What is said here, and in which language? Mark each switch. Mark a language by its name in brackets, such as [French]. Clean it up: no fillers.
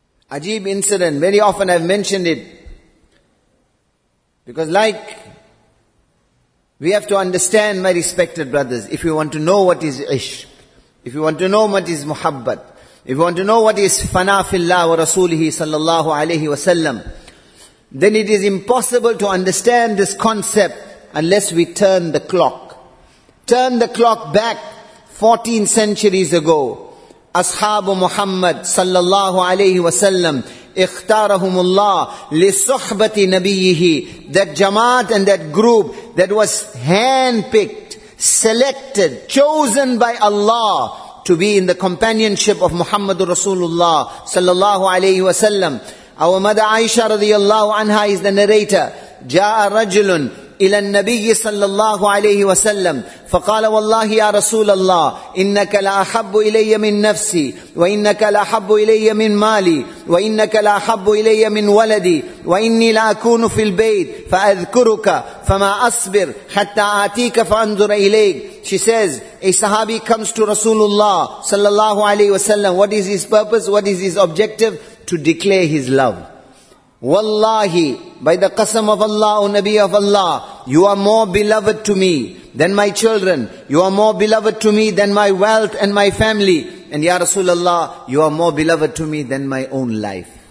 [English] Ajeeb incident, very often I've mentioned it. Because like, we have to understand, my respected brothers, if we want to know what is ishq, if we want to know what is muhabbat, if we want to know what is [Arabic] fana fillah wa rasulihi sallallahu alayhi wa sallam, [English] then it is impossible to understand this concept unless we turn the clock. Turn the clock back 14 centuries ago. [Arabic] أصحاب محمد صلى الله عليه وسلم اختارهم الله لصحبة نبيه [English] That Jamaat and that group that was handpicked, selected, chosen by Allah to be in the companionship of Muhammad Rasulullah صلى الله عليه وسلم Our mother Aisha رضي الله عنها is the narrator [Arabic] جاء رجل إلى النبي صلى الله عليه وسلم فقال والله يا رسول الله إنك لأحب إلي من نفسي وإنك لأحب إلي من مالي وإنك لأحب إلي من ولدي وإني لأكون في البيت فأذكرك فما أصبر حتى آتيك فأنظر إليك [English] She says, a Sahabi comes to Rasulullah صلى الله عليه وسلم What is his purpose? What is his objective? To declare his love. Wallahi, by the qasam of Allah, O Nabi of Allah, you are more beloved to me than my children. You are more beloved to me than my wealth and my family. And Ya Rasulullah, you are more beloved to me than my own life.